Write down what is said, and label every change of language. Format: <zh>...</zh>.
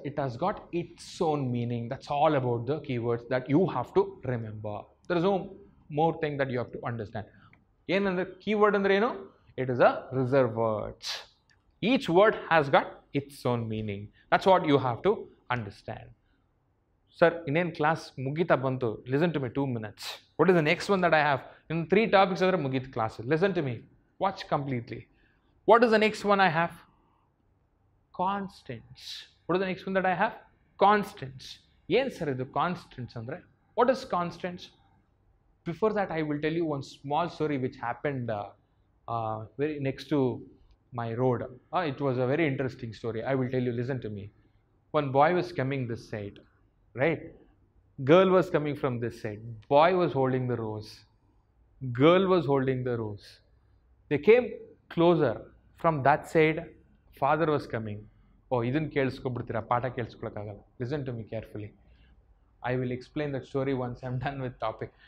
<en>It has got its own meaning. That's all about the keywords that you have to remember. There is no more thing that you have to understand. Another keyword</en> <kn>andre eno?</kn> <en>It is a reserve word. Each word has got its own meaning. That's what you have to understand.</en> <kn>Sir, ಇನ್ನೇನು class ಮುಗೀತಾ ಬಂತು?</kn> <en>Listen to me 2 minutes. What is the next one that I have? In 3 topics</en> <kn>ಅಂದರೆ ಮುಗೀತು class.</kn> <en>Listen to me, watch completely. What is the next one I have? Constants. What is the next one that I have? Constants.</en> <kn>ಏನು sir ಇದು constants ಅಂದರೆ?</kn> <en>What is constants? Before that I will tell you one small story which happened very next to my road. It was a very interesting story. I will tell you, listen to me. One boy was coming this side, right? Girl was coming from this side. Boy was holding the rose. Girl was holding the rose. They came closer from that side. Father was coming. Oh,</en> <kn>idun kelisukobidtira, paata kelisukolakagala.</kn> <en>Listen to me carefully. I will explain that story once I'm done with topic.</en>